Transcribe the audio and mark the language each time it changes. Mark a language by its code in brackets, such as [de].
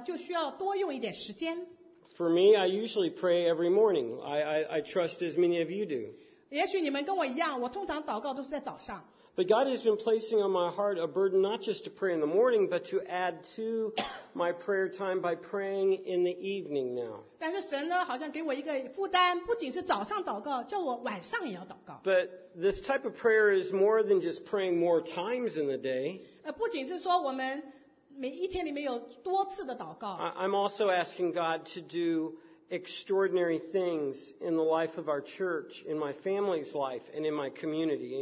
[zh] 所以这种超乎日常素常的祷告呢,就需要多用一点时间。 [en] For me, I usually pray every morning. I trust as many of you do. [zh] 也许你们跟我一样,我通常祷告都是在早上。 [en] But God has been placing on my heart a burden not just to pray in the morning, but to add to my prayer time by praying in the evening now. [zh] 但是神呢,好像给我一个负担,不仅是早上祷告,叫我晚上也要祷告。 [en] But this type of prayer is more than just praying more times in the day. [zh] 不仅是说我们每一天里面有多次的祷告。 [en] I'm also asking God to do extraordinary things in the life of our church, in my family's life, and in my community.